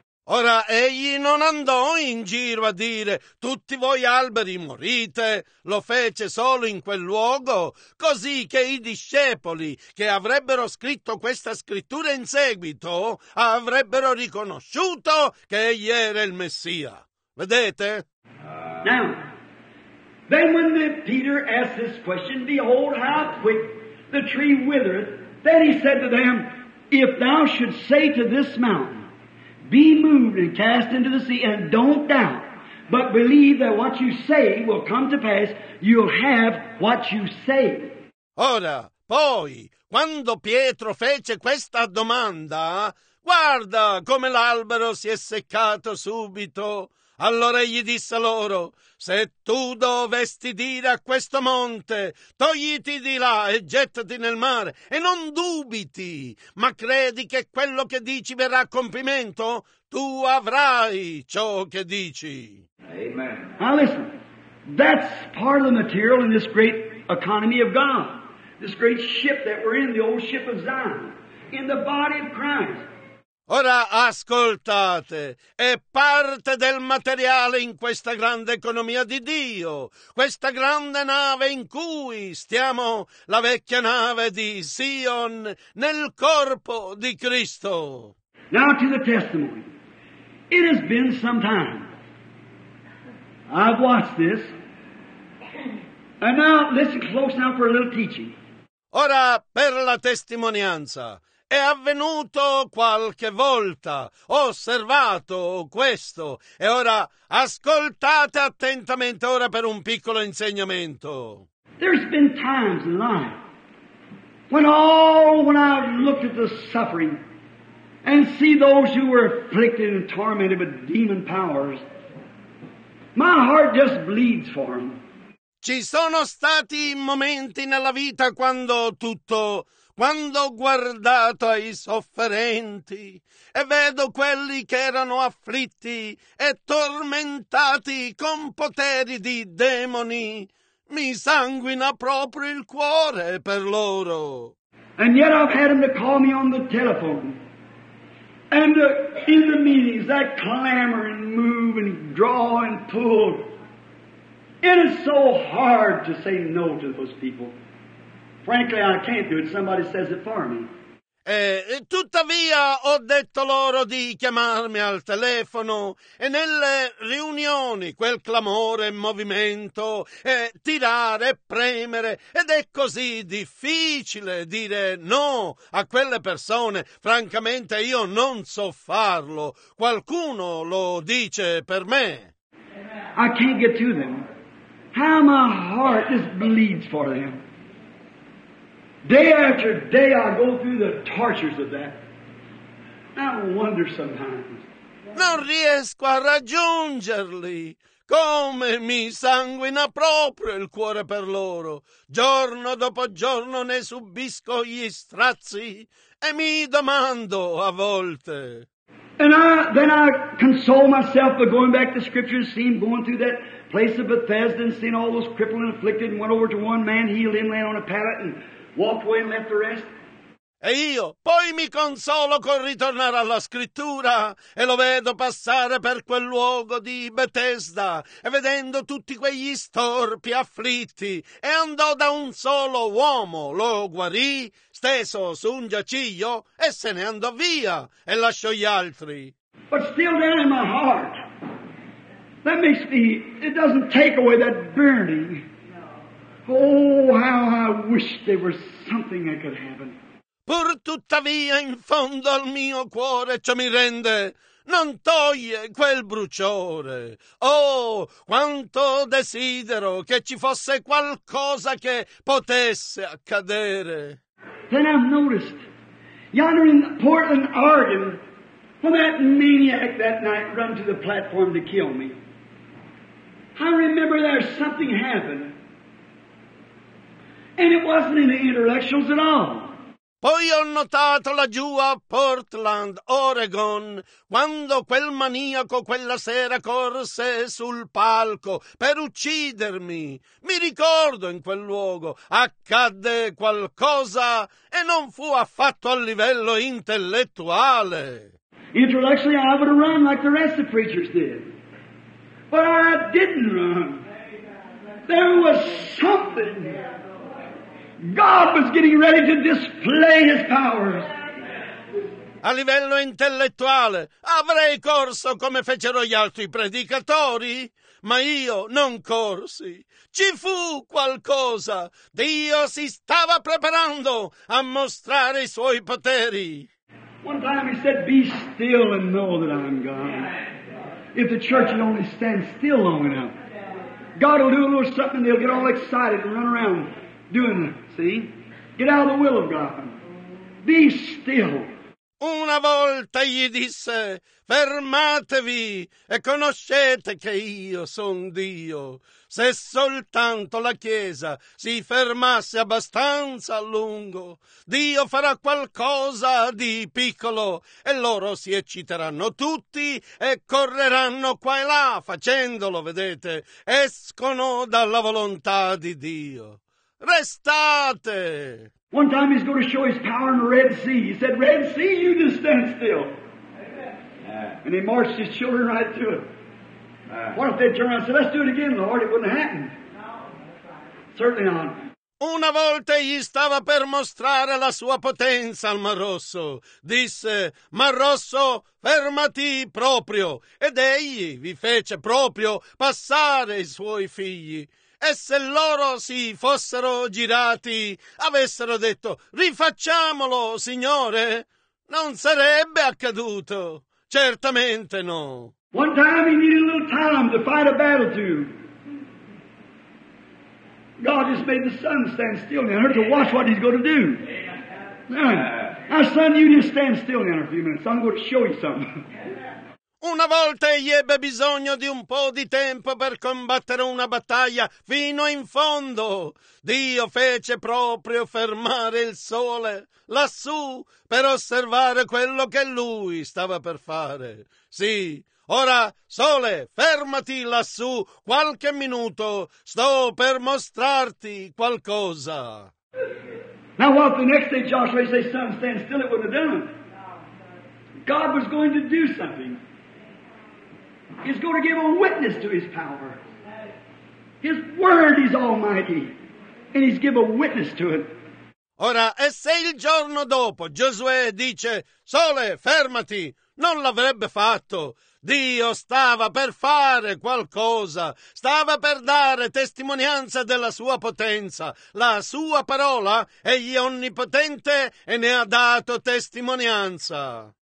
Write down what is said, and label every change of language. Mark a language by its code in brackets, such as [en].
[it] Ora, egli non andò in giro a dire «Tutti voi alberi morite», lo fece solo in quel luogo, così che i discepoli che avrebbero scritto questa scrittura in seguito avrebbero riconosciuto che egli era il Messia. Vedete? [en] Now, then when Peter asked this question, behold how quick the tree withereth, then he said to them, if thou should say to this mountain, be moved and cast into the sea, and don't doubt, but believe that what you say will come to pass, you'll have what you say. [it] Ora, poi, quando Pietro fece questa domanda, guarda come l'albero si è seccato subito. Allora egli disse loro, se tu dovesti dire a questo monte, togliti di là e gettati nel mare, e non dubiti, ma credi che quello che dici verrà a compimento, tu avrai ciò che dici. Amen. [en] Now listen, that's part of the material in this great economy of God, this great ship that we're in, the old ship of Zion, in the body of Christ. [it] Ora ascoltate, è parte del materiale in questa grande economia di Dio, questa grande nave in cui stiamo, la vecchia nave di Sion, nel corpo di Cristo. [en] Now to the testimony. It has been some time. I've watched this. And now, listen close now for a little teaching. [it] Ora per la testimonianza. È avvenuto qualche volta, ho osservato questo, e ora ascoltate attentamente ora per un piccolo insegnamento. [en] There's been times in life when I've looked at the suffering and see those who were afflicted and tormented with demon powers, my heart just bleeds for them. [it] Ci sono stati momenti nella vita quando tutto... Quando ho guardato ai sofferenti e vedo quelli che erano afflitti e tormentati con poteri di demoni, mi sanguina proprio il cuore per loro. [en] And yet I've had them to call me on the telephone. And in the meetings that clamor and move and draw and pull. It is so hard to say no to those people. Frankly, I can't do it. Somebody says it for me. [it] Tuttavia, ho detto loro di chiamarmi al telefono e nelle riunioni quel clamore e movimento, tirare e premere, ed è così difficile dire no a quelle persone. Francamente, io non so farlo. Qualcuno lo dice per me. [en] I can't get to them. How my heart just bleeds for them. Day after day I go through the tortures of that. I wonder sometimes. [it] Non riesco a raggiungerli. Come mi sanguina proprio il cuore per loro. Giorno dopo giorno ne subisco gli strazi e mi domando a volte. [en] And then I console myself by going back to scripture and seeing going through that place of Bethesda and seeing all those crippled and afflicted and went over to one man healed him laying on a pallet and walk away and left the rest. [it] E io poi mi consolo col ritornare alla scrittura e lo vedo passare per quel luogo di Betesda e vedendo tutti quegli storpi afflitti e andò da un solo uomo, lo guarì, steso su un giaciglio e se ne andò via e lasciò gli altri. [en] But still there in my heart, that makes me, it doesn't take away that burning. Oh, how I wish there was something that could happen. [it] Pur tuttavia in fondo al mio cuore ciò mi rende, non toglie quel bruciore. Oh, quanto desidero che ci fosse qualcosa che potesse accadere. [en] Then I've noticed, yonder in Portland, Oregon, when that maniac that night run to the platform to kill me, I remember there something happened. And it wasn't in the intellectuals at all. [it] Poi ho notato laggiù a Portland, Oregon, quando quel maniaco quella sera corse sul palco per uccidermi. Mi ricordo in quel luogo accadde qualcosa e non fu affatto a livello intellettuale. [en] Intellectually, I would have run like the rest of the preachers did. But I didn't run. There was something. God was getting ready to display His powers. [it] A livello intellettuale avrei corso come fecero gli altri predicatori, ma io non corsi. Ci fu qualcosa. Dio si stava preparando a mostrare i suoi poteri. [en] One time he said, be still and know that I'm God. If the church would only stand still long enough, God will do a little something and they'll get all excited and run around doing it. See? Get out of the will of God. Be still. [it] Una volta gli disse, fermatevi e conoscete che io sono Dio. Se soltanto la Chiesa si fermasse abbastanza a lungo, Dio farà qualcosa di piccolo e loro si ecciteranno tutti e correranno qua e là facendolo, vedete, escono dalla volontà di Dio. Restate! [en] One time he's going to show his power in the Red Sea. He said, Red Sea, you just stand still. Yeah. And he marched his children right through it. What if they turn around and said, let's do it again, Lord? It wouldn't happen. No. Certainly not. [it] Una volta gli stava per mostrare la sua potenza al Mar Rosso. Disse, Mar Rosso, fermati proprio. Ed egli vi fece proprio passare i suoi figli. E se loro si fossero girati, avessero detto, rifacciamolo, Signore, non sarebbe accaduto. Certamente no. [en] One time he needed a little time to fight a battle to. God just made the sun stand still in there to watch what he's going to do. Now, son, you just stand still in there a few minutes. I'm going to show you something. [it] Una volta egli ebbe bisogno di un po' di tempo per combattere una battaglia fino in fondo. Dio fece proprio fermare il sole lassù per osservare quello che lui stava per fare. Sì, ora sole, fermati lassù qualche minuto. Sto per mostrarti qualcosa. [en] Now what the next day Joshua says, son, stand still, it wouldn't have done. God was going to do something. He's going to give a witness to His power. His word is almighty. And He's given a witness to it. [it] Ora, e se il giorno dopo Giosuè dice, Sole, fermati, non l'avrebbe fatto. Dio stava per fare qualcosa. Stava per dare testimonianza della sua potenza. La sua parola, egli è onnipotente e ne ha dato testimonianza.